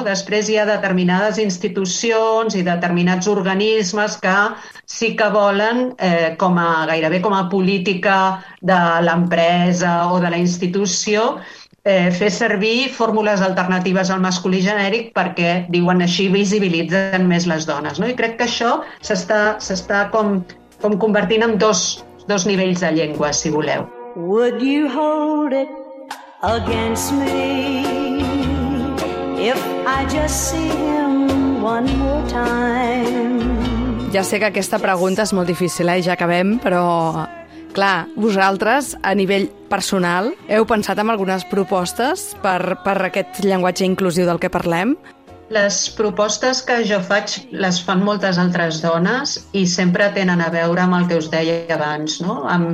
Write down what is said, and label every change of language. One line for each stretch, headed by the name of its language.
Catalan: Després hi ha determinades institucions i determinats organismes que sí que volen, com a, gairebé com a política de l'empresa o de la institució, fer servir fórmules alternatives al masculí genèric perquè, diuen així, visibilitzen més les dones, no? I crec que això s'està com convertint en dos nivells de llengua, si voleu.
English: Would you hold it against me if I just see him one more time?
Catalan: Ja sé que aquesta pregunta és molt difícil, eh? Ja acabem, però clar, vosaltres a nivell personal heu pensat en algunes propostes per aquest llenguatge inclusiu del que parlem? Les propostes que jo faig les fan moltes altres dones i sempre tenen a veure amb el que us deia abans, no?